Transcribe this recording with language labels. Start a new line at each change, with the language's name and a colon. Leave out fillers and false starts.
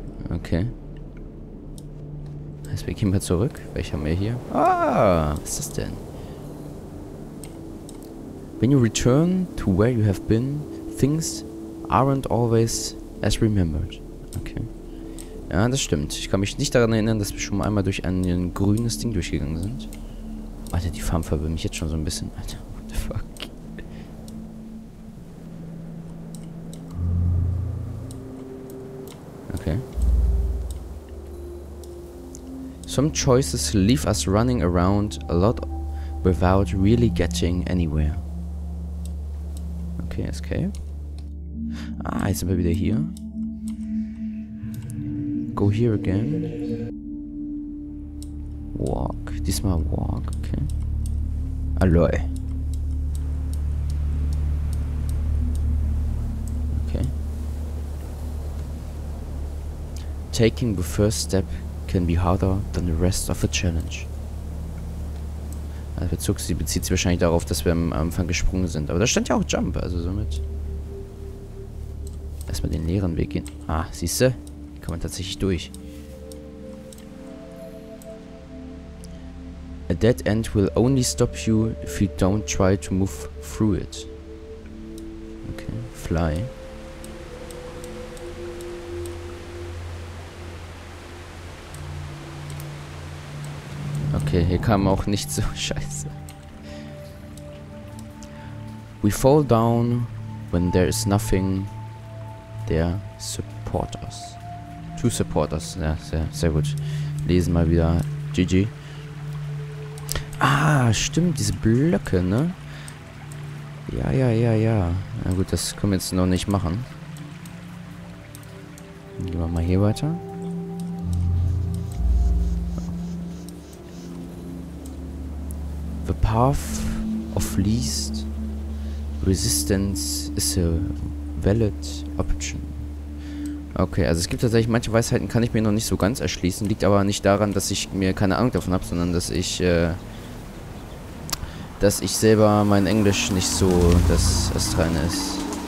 German: Okay. Also, wir gehen mal zurück. Welche haben wir hier? Ah, was ist das denn?
English: When you return to where you have been, things aren't always as remembered.
German: Okay. Ja, das stimmt. Ich kann mich nicht daran erinnern, dass wir schon einmal durch ein grünes Ding durchgegangen sind. Alter, die Farm verwirrt mich jetzt schon so ein bisschen.
English: Alter, what the fuck? Okay. Some choices leave us running around a lot without really getting anywhere. Okay, escape.
German: Ah, jetzt sind wir wieder hier.
English: Go here again. Walk.
German: Diesmal walk, okay. Aloy. Okay.
English: Taking the first step can be harder than the rest of the challenge.
German: Also bezieht sich wahrscheinlich darauf, dass wir am Anfang gesprungen sind. Aber da stand ja auch Jump, also somit. Erstmal den leeren Weg gehen. Ah, siehste? Hier kann man tatsächlich durch.
English: A dead end will only stop you if you don't try to move through it. Okay, fly.
German: Okay, hier kam auch nicht so scheiße.
English: We fall down when there is nothing there support us. To support us.
German: Ja, sehr, sehr gut. Lesen mal wieder. GG. Ah, stimmt, diese Blöcke, ne? Ja, ja, ja, ja. Na gut, das können wir jetzt noch nicht machen. Dann gehen wir mal hier weiter.
English: The path of least resistance is a valid option.
German: Okay, also es gibt tatsächlich manche Weisheiten, kann ich mir noch nicht so ganz erschließen. Liegt aber nicht daran, dass ich mir keine Ahnung davon habe, sondern dass ich selber mein Englisch nicht so das Astreine ist.